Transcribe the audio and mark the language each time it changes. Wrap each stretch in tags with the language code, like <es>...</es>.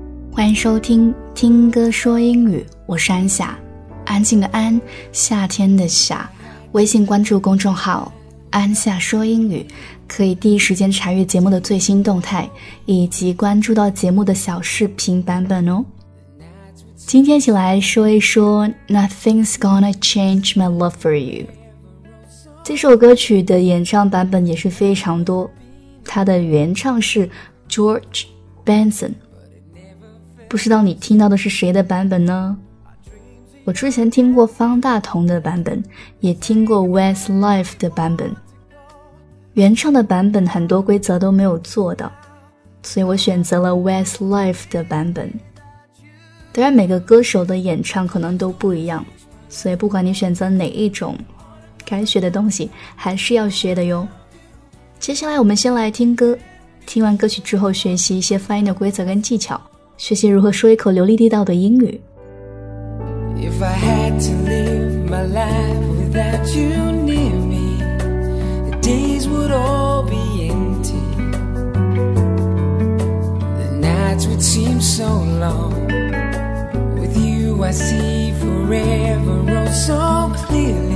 <zh>欢迎收听听歌说英语，我是安夏，安静的安，夏天的夏。微信关注公众号安夏说英语，可以第一时间查阅节目的最新动态，以及关注到节目的小视频版本哦。今天起来说一说</zh> <en>Nothing's gonna change my love for you。</en> <zh>这首歌曲的演唱版本也是非常多，它的原唱是 George Benson。不知道你听到的是谁的版本呢？我之前听过方大同的版本，也听过 Westlife 的版本。原唱的版本很多规则都没有做到，所以我选择了 Westlife 的版本。当然每个歌手的演唱可能都不一样，所以不管你选择哪一种，该学的东西还是要学的哟。接下来我们先来听歌，听完歌曲之后学习一些发音的规则跟技巧，学习如何说一口流利地道的英语。</zh> <en>If I had to live my life without you near me, the days would all be empty. The nights would seem so long. With you I see forever all so clearly.</en>